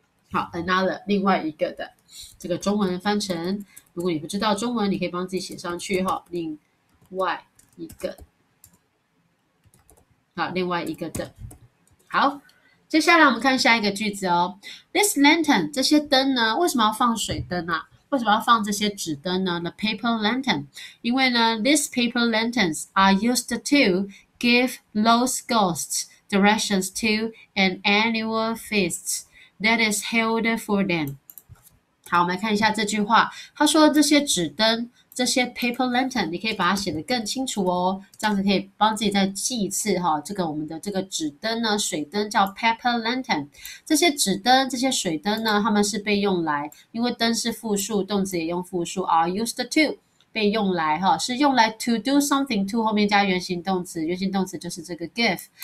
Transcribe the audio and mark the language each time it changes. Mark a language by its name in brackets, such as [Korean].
[Chinese] 好， another 另外一个的这个中文翻成，如果你不知道中文你可以帮自己写上去，另外一个，好，另外一个的。好，接下来我们看下一个句子哦。 [English] This lantern， [Chinese] 这些灯呢，为什么要放水灯啊？为什么要放这些纸灯呢 ？ [English] The paper lantern， [Chinese] 因为呢 ， [English] these paper lanterns are used to give lost ghosts directions to an annual feast that is held for them。 [Chinese] 好，我们来看一下这句话。他说这些纸灯，这些 [English] paper lantern， [Chinese] 你可以把它写得更清楚哦，这样子可以帮自己再记一次哈。这个我们的这个纸灯呢，水灯叫 [English] paper lantern， [Chinese] 这些纸灯这些水灯呢，他们是被用来，因为灯是复数，动词也用复数， [English] are used to， [Chinese] 被用来哈，是用来 to do something to， 后面加原形动词，原形动词就是这个 give，